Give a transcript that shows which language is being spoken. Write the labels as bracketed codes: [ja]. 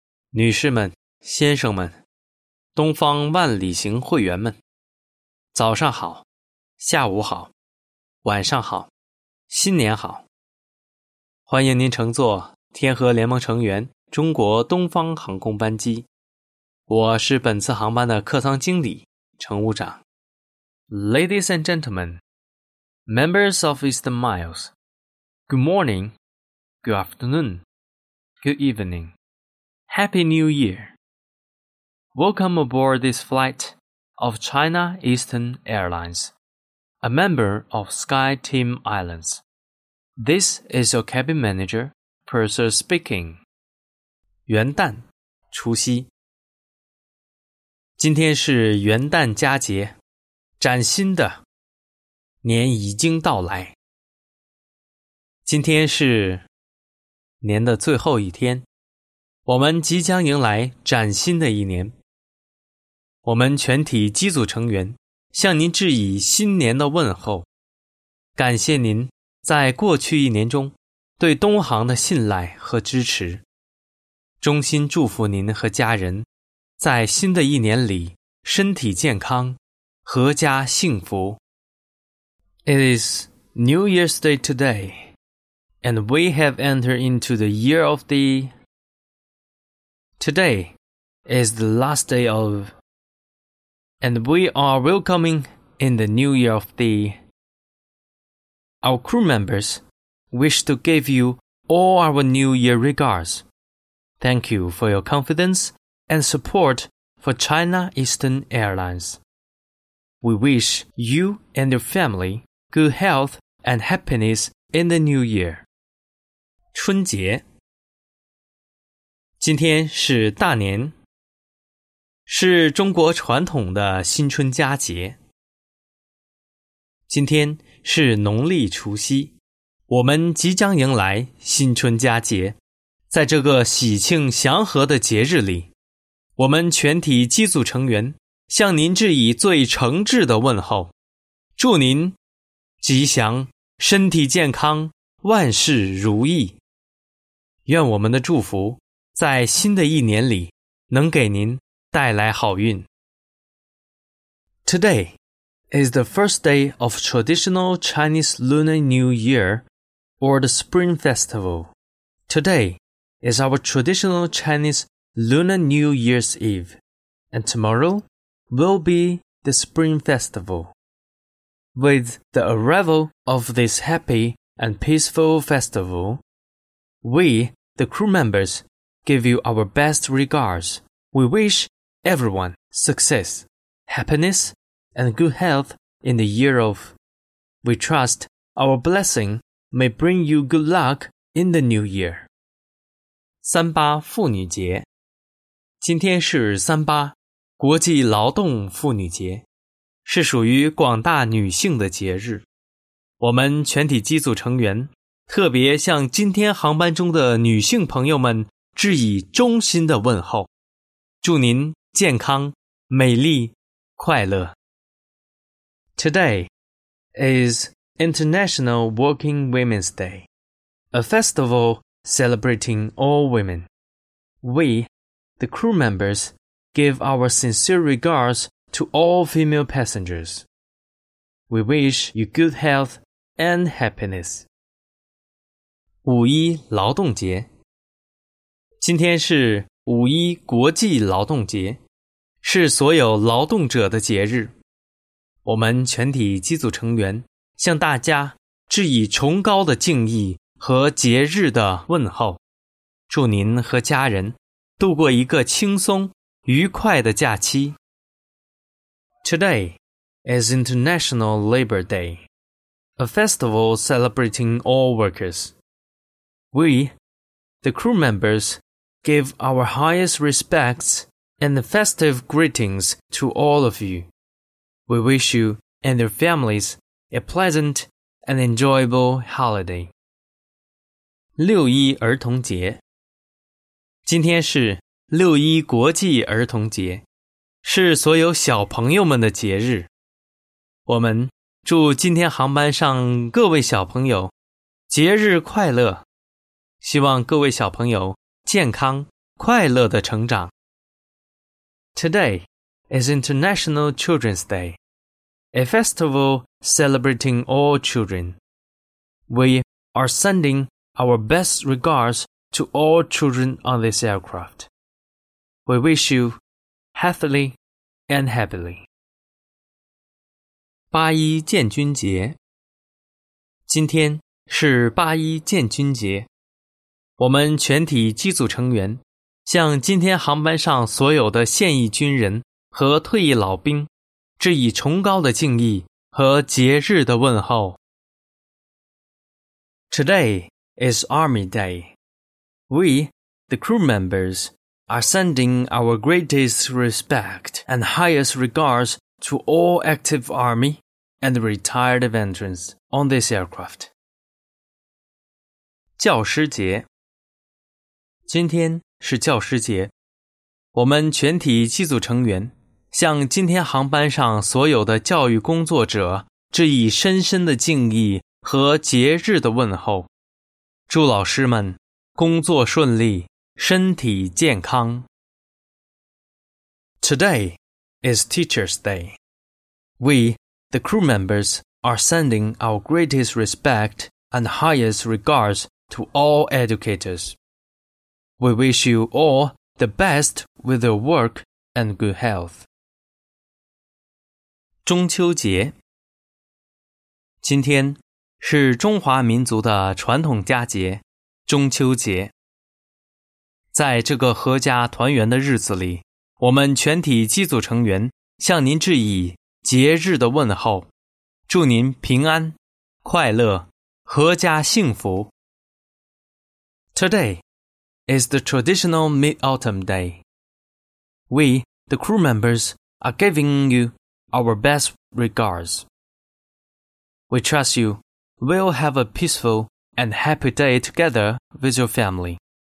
[zh] 女士们，先生们，东方万里行会员们，早上好，下午好，晚上好，新年好。欢迎您乘坐天河联盟成员中国东方航空班机，我是本次航班的客舱经理乘务长。 [en] Ladies and gentlemen, members of Eastern Miles, Good morning, Good afternoon, Good evening, Happy New Year. Welcome aboard this flight of China Eastern Airlines, a member of Sky Team Islands. This is your cabin manager, Purser speaking. [zh] 元旦，除夕。今天是元旦佳节，崭新的年已经到来。今天是年的最后一天，我们即将迎来崭新的一年。我们全体机组成员向您致以新年的问候，感谢您在过去一年中对东航的信赖和支持。衷心祝福您和家人在新的一年里身体健康，阖家幸福。 [en] It is New Year's Day today, and we have entered into the year of the... Today is the last day of... And we are welcoming in the New Year of the... Our crew members wish to give you all our New Year regards. Thank you for your confidence and support for China Eastern Airlines. We wish you and your family good health and happiness in the new year. [zh] 春节，今天是大年，是中国传统的新春佳节。今天是农历除夕，我们即将迎来新春佳节。在这个喜庆祥和的节日里，我们全体机组成员向您致以最诚挚的问候，祝您吉祥，身体健康，万事如意。愿我们的祝福在新的一年里能给您带来好运。 [en] Today is the first day of traditional Chinese Lunar New Year or the Spring Festival. Todayis our traditional Chinese Lunar New Year's Eve, and tomorrow will be the Spring Festival. With the arrival of this happy and peaceful festival, we, the crew members, give you our best regards. We wish everyone success, happiness, and good health in the year of... We trust our blessing may bring you good luck in the new year. [zh] 三八妇女节，今天是三八，国际劳动妇女节，是属于广大女性的节日。我们全体机组成员特别向今天航班中的女性朋友们致以衷心的问候，祝您健康、美丽、快乐。 [en] Today is International Working Women's Day, a festival. Celebrating all women. We, the crew members, give our sincere regards to all female passengers. We wish you good health and happiness. [zh] 五一劳动节，今天是五一国际劳动节，是所有劳动者的节日。我们全体机组成员向大家致以崇高的敬意和节日的问候，祝您和家人度过一个轻松愉快的假期。 [en] Today is International Labor Day, a festival celebrating all workers. We, the crew members, give our highest respects and festive greetings to all of you. We wish you and your families a pleasant and enjoyable holiday. [zh] 六一儿童节，今天是六一国际儿童节，是所有小朋友们的节日。我们祝今天航班上各位小朋友节日快乐，希望各位小朋友健康快乐的成长。 [en] Today is International Children's Day, a festival celebrating all children. We are sending our best regards to all children on this aircraft. We wish you healthily and happily. [zh] 八一建军节，今天是八一建军节，我们全体机组成员向今天航班上所有的现役军人和退役老兵致以崇高的敬意和节日的问候。 [en] Today is Army Day. We, the crew members, are sending our greatest respect and highest regards to all active Army and retired veterans on this aircraft. [zh] 教师节，今天是教师节，我们全体机组成员向今天航班上所有的教育工作者致以深深的敬意和节日的问候，祝老师们工作顺利，身体健康。 [en] Today is Teacher's Day. We, the crew members, are sending our greatest respect and highest regards to all educators. We wish you all the best with your work and good health. [zh] 中秋节，今天是中华民族的传统佳节，中秋节。在这个阖家团圆的日子里，我们全体机组成员向您致以节日的问候，祝您平安、快乐、阖家幸福。 [en] Today is the traditional Mid-Autumn Day. We, the crew members, are giving you our best regards. We trust you will have a peaceful and happy day together with your family.